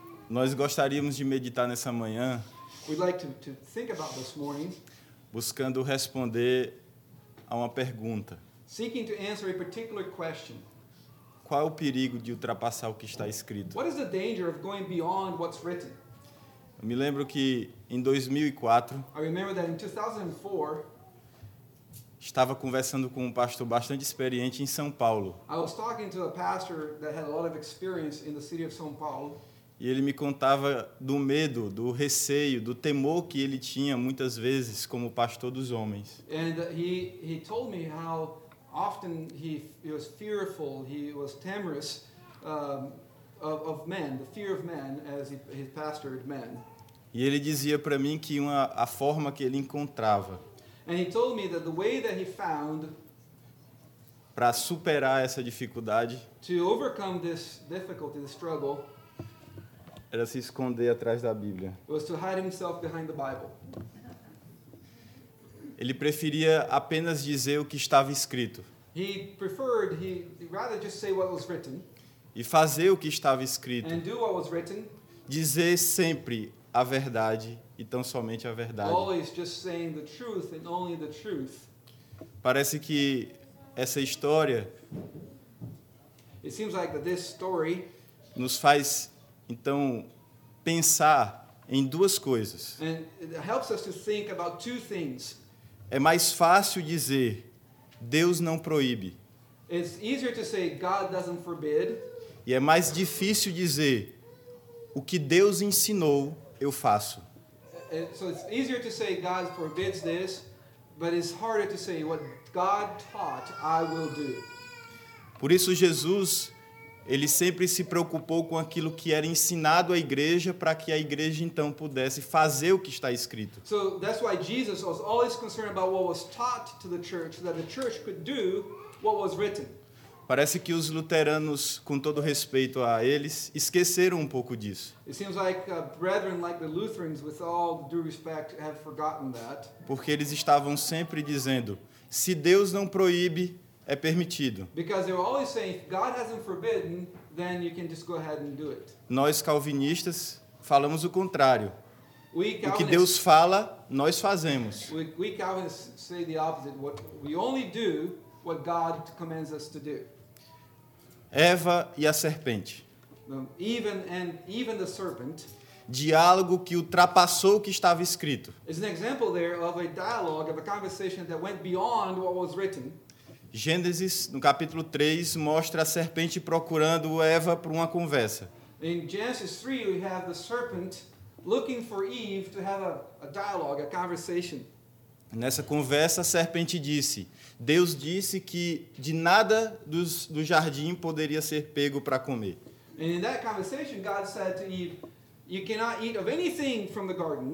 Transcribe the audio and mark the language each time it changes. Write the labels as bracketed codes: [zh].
[pt] Nós gostaríamos de meditar nessa manhã. [en] We'd like to think about this morning. [pt] Buscando responder a uma pergunta. [en] Seeking to answer a particular question. [pt] Qual é o perigo de ultrapassar o que está escrito? [en] What is the danger of going beyond what's written? [pt] Eu me lembro que em 2004, [en] I remember that in 2004, [pt] estava conversando com um pastor bastante experiente em São Paulo. [en] I was talking to a pastor that had a lot of experience in the city of São Paulo. [pt] E ele me contava do medo, do receio, do temor que ele tinha muitas vezes como pastor dos homens. [en] And he told me how often he was fearful, he was timorous of men, the fear of men as he pastored men. [pt] E ele dizia para mim que a forma que ele encontrava [en] And he told me that the way that he found [pt] para superar essa dificuldade [en] to overcome this difficulty, this struggle [pt] era se esconder atrás da Bíblia. [en] Was to hide himself behind the Bible. [pt] Ele preferia apenas dizer o que estava escrito. [en] He preferred he rather just say what was written. [pt] E fazer o que estava escrito. [en] And do what was written. [pt] Dizer sempre a verdade. E tão somente a verdade. [en] Always just saying the truth and only the truth. [pt] Parece que essa história [en] It seems like that this story [pt] nos faz Então, pensar em duas coisas. [en] And it helps us to think about two things. [pt] É mais fácil dizer Deus não proíbe. [en] It's easier to say God doesn't forbid. [pt] E é mais difícil dizer o que Deus ensinou, eu faço. [en] So it's easier to say God forbids this, but it's harder to say what God taught, I will do. [pt] Por isso Jesus, ele sempre se preocupou com aquilo que era ensinado à igreja para que a igreja então pudesse fazer o que está escrito. [en] So that's why Jesus was always concerned about what was taught to the church, so that the church could do what was written. [pt] Parece que os luteranos, com todo respeito a eles, esqueceram um pouco disso. [en] It seems like brethren like the Lutherans, with all due respect, have forgotten that. [pt] Porque eles estavam sempre dizendo, se Deus não proíbe, é permitido. [en] Because they were always saying, if God hasn't forbidden, then you can just go ahead and do it. [pt] Nós calvinistas falamos o contrário. [en] We Calvinists, [pt] o que Deus fala, nós fazemos. [en] We Calvinists say the opposite. What we only do what God commands us to do. [pt] Eva e a serpente. [en] Even the serpent. [pt] Diálogo que ultrapassou o que estava escrito. [en] It's an example there of a dialogue, of a conversation that went beyond what was written. [pt] Gênesis, no capítulo 3, mostra a serpente procurando Eva para uma conversa. [en] In Genesis 3, we have the serpent looking for Eve to have a dialogue, a conversation. [pt] Nessa conversa, a serpente disse, Deus disse que de nada do jardim poderia ser pego para comer. [en] And in that conversation, God said to Eve, you cannot eat of anything from the garden.